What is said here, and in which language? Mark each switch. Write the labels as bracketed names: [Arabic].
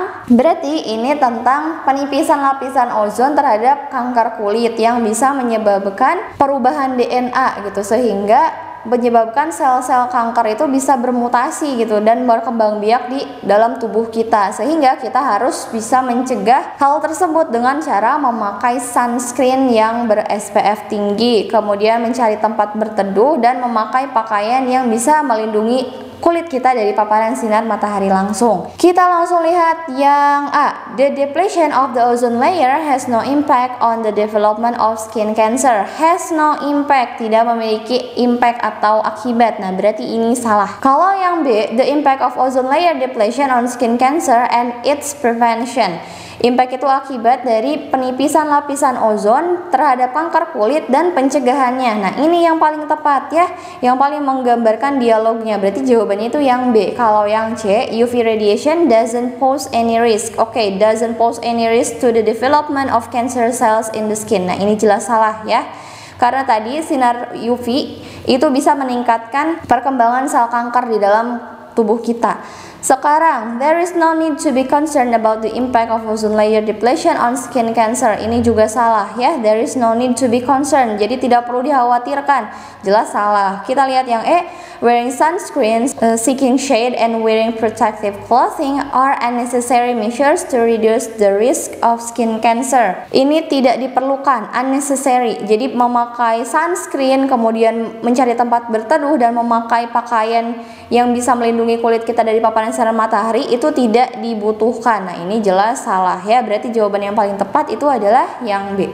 [Indonesian] Berarti ini tentang penipisan lapisan ozon terhadap kanker kulit yang bisa menyebabkan perubahan DNA gitu, sehingga menyebabkan sel-sel kanker itu bisa bermutasi gitu dan berkembang biak di dalam tubuh kita, sehingga kita harus bisa mencegah hal tersebut dengan cara memakai sunscreen yang ber-SPF tinggi, kemudian mencari tempat berteduh, dan memakai pakaian yang bisa melindungi kulit kita dari paparan sinar matahari langsung. Kita langsung lihat yang A. [English] The depletion of the ozone layer has no impact on the development of skin cancer. Has no impact, [Indonesian] tidak memiliki impact atau akibat. Nah, berarti ini salah. Kalau yang B, [English] the impact of ozone layer depletion on skin cancer and its prevention. [Indonesian] Impact itu akibat dari penipisan lapisan ozon terhadap kanker kulit dan pencegahannya. Nah, ini yang paling tepat ya, yang paling menggambarkan dialognya. Berarti jawabannya itu yang B. Kalau yang C, [English] UV radiation doesn't pose any risk. Okay, doesn't pose any risk to the development of cancer cells in the skin. [Indonesian] Nah, ini jelas salah ya. Karena tadi sinar UV itu bisa meningkatkan perkembangan sel kanker di dalam tubuh kita. [English] Sekarang, there is no need to be concerned about the impact of ozone layer depletion on skin cancer. [Indonesian] Ini juga salah ya, [English] there is no need to be concerned. [Indonesian] Jadi tidak perlu dikhawatirkan. Jelas salah. Kita lihat yang E, [English] wearing sunscreen, seeking shade, and wearing protective clothing are unnecessary measures to reduce the risk of skin cancer. [Indonesian] Ini tidak diperlukan, unnecessary. Jadi memakai sunscreen, kemudian mencari tempat berteduh, dan memakai pakaian yang bisa melindungi kulit kita dari paparan sinar matahari itu tidak dibutuhkan. Nah, ini jelas salah ya. Berarti jawaban yang paling tepat itu adalah yang B.